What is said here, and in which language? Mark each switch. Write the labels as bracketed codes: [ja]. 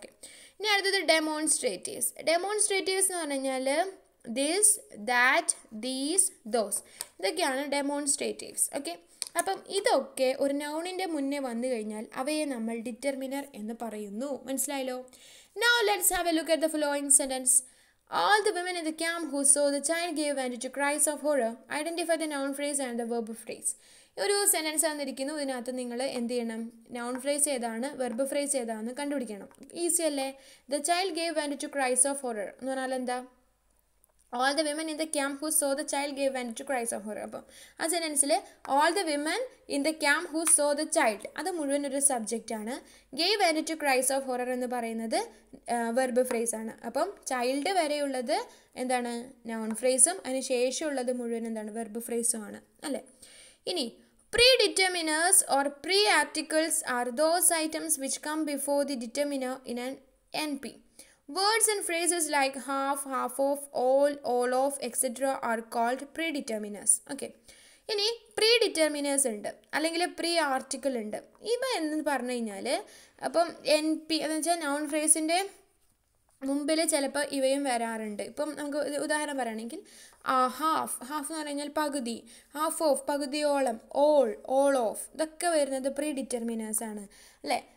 [ml] Okay, ഇനി അടുത്തത് ഡെമോൺസ്ട്രേറ്റീവ്സ്. ഡെമോൺസ്ട്രേറ്റീവ്സ് എന്ന് പറഞ്ഞാൽ ദിസ്, ദാറ്റ്, ദീസ്, ദോസ്, ഇതൊക്കെയാണ് ഡെമോൺസ്ട്രേറ്റീവ്സ്. ഓക്കെ, അപ്പം ഇതൊക്കെ ഒരു നൗണിൻ്റെ മുന്നേ വന്നു കഴിഞ്ഞാൽ അവയെ നമ്മൾ ഡിറ്റർമിനർ എന്ന് പറയുന്നു. മനസ്സിലായല്ലോ. [en] Now let's have a look at the following sentence. All the women in the camp who saw the child gave vent to cries of horror. Identify the noun phrase and the verb phrase. [ml] ഒരു sentence തന്നിരിക്കുന്നു, ഇതിനകത്ത് നിങ്ങൾ എന്ത് ചെയ്യണം? Noun phrase ഏതാണ്, verb phrase ഏതാണെന്ന് കണ്ടുപിടിക്കണം. Easy അല്ലേ. [en] the child gave vent to cries of horror [ml] എന്ന് പറഞ്ഞാൽ എന്താ? [en] All the women in the camp who saw the child gave vent to cries of horror. [ml] അപ്പം ആ സെൻറ്റൻസിൽ [en] all the women in the camp who saw the child, [ml] അത് മുഴുവൻ ഒരു സബ്ജക്റ്റാണ്. [en] gave vent to cries of horror [ml] എന്ന് പറയുന്നത് verb phrase ആണ്. അപ്പം ചൈൽഡ് വരെയുള്ളത് എന്താണ്? നൗൺ ഫ്രേസും അതിന് ശേഷമുള്ളത് മുഴുവൻ എന്താണ്? വെർബ് ഫ്രേസും ആണ്, അല്ലേ. ഇനി [en] Predeterminers or pre articles are those items which come before the determiner in N P. Words and phrases like half, half of, all of, etc. are called predeterminers. Okay. [ml] ഇനി predeterminers ഉണ്ട്, അല്ലെങ്കിൽ pre article ഉണ്ട്. ഇപ്പം എന്ന് പറഞ്ഞു കഴിഞ്ഞാൽ, അപ്പം N P എന്ന് വെച്ചാൽ നൗൺ ഫ്രേസിൻ്റെ മുമ്പിൽ ചിലപ്പോൾ ഇവയും വരാറുണ്ട്. ഇപ്പം നമുക്ക് ഉദാഹരണം പറയുകയാണെങ്കിൽ ഹാഫ്, ഹാഫ് എന്ന് പറഞ്ഞാൽ പകുതി, ഹാഫ് ഓഫ് പകുതിയോളം, ഓൾ ഓഫ്, ഇതൊക്കെ വരുന്നത് പ്രീ ഡിറ്റർമിനേഴ്സ് ആണ്, അല്ലേ.